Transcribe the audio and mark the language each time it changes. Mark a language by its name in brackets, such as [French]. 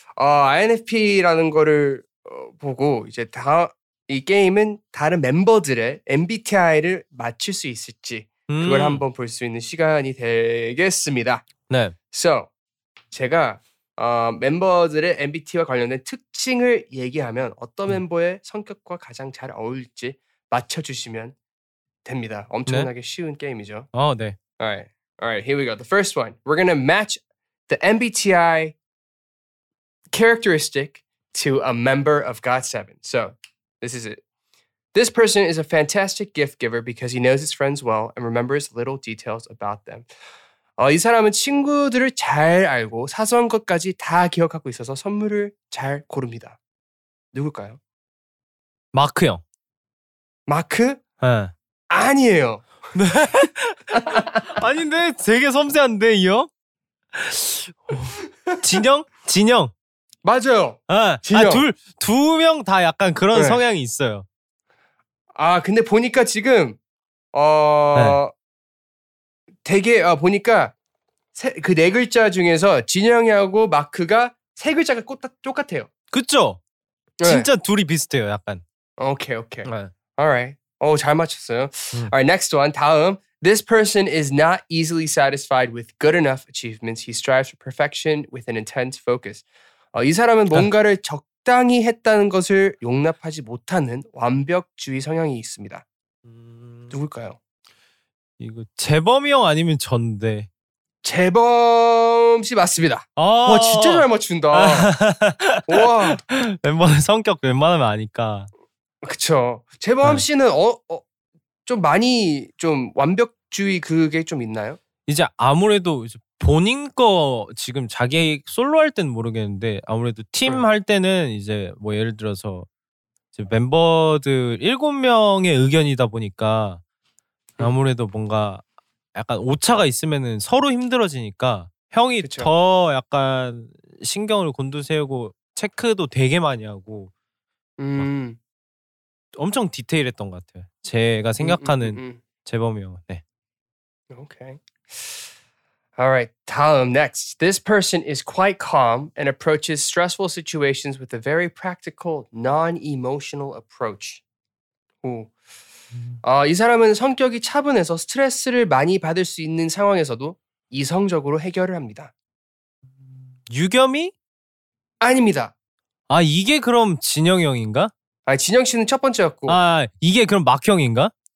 [Korean] INFP라는 거를 보고 이제 다 이 게임은 다른 멤버들의 MBTI를 맞출 수 있을지 그걸 한번 볼 수 있는 시간이 되겠습니다. 네. So, 제가 멤버들의 MBTI와 관련된 특징을 얘기하면 어떤 멤버의 성격과 가장 잘 어울릴지 맞춰주시면 됩니다. 엄청나게 네? 쉬운 게임이죠. 어, 네. [English] All right. Here we go. The first one. We're gonna match the MBTI characteristic to a member of GOT7. So, this is it. This person is a fantastic gift giver because he knows his friends well and remembers little details about them. [Korean] 이 사람은 친구들을 잘 알고 사소한 것까지 다 기억하고 있어서 선물을 잘 고릅니다. 누굴까요? 마크 형. 마크? 네. 아니에요. 아닌데? 되게 섬세한데, 이 형? 진영? 진영. 맞아요. 네. 아, 두 명 다 약간 그런 네. 성향이 있어요. 아, 근데 보니까 지금 네. 되게 보니까 그 네 글자 중에서 진영이하고 마크가 세 글자가 똑같아요. 그쵸? 네. 진짜 둘이 비슷해요, 약간. 오케이, 오케이. 네. [English] Alright. [Korean] 오, 잘 맞췄어요. [English] Alright, next one. [Korean] 다음. [English] This person is not easily satisfied with good enough achievements. He strives for perfection with an intense focus. [Korean] 이 사람은 뭔가를 적당히 했다는 것을 용납하지 못하는 완벽주의 성향이 있습니다. 누굴까요? 이거 재범이 형 아니면 전데? 재범 씨 맞습니다. 아~ 와 진짜 잘 맞춘다. 와 멤버는 성격 웬만하면 아니까. 그쵸. 재범 씨는 좀 많이 좀 완벽주의 그게 좀 있나요? 이제 아무래도 이제 본인 거 지금 자기 솔로 할 때는 모르겠는데 아무래도 팀 할 때는 이제 뭐 예를 들어서 이제 멤버들 7명의 의견이다 보니까. 아무래도 뭔가 약간 오차가 있으면은 서로 힘들어지니까 형이 그쵸. 더 약간 신경을 곤두세우고 체크도 되게 많이 하고 엄청 디테일했던 것 같아요. 제가 생각하는 재범이 형. 네. 오케이. [English] Alright, [Korean] 다음, [English] next. This person is quite calm and approaches stressful situations with a very practical, non-emotional approach. [Korean] 오. 이 사람은 성격이 차분해서 스트레스를 많이 받을 수 있는 상황에서도 이성적으로 해결을 합니다. 유겸이? 아닙니다. 아 이게 그럼 진영이 형인가? 아 진영 씨는 첫 번째였고. 아 이게 그럼 막 형인가?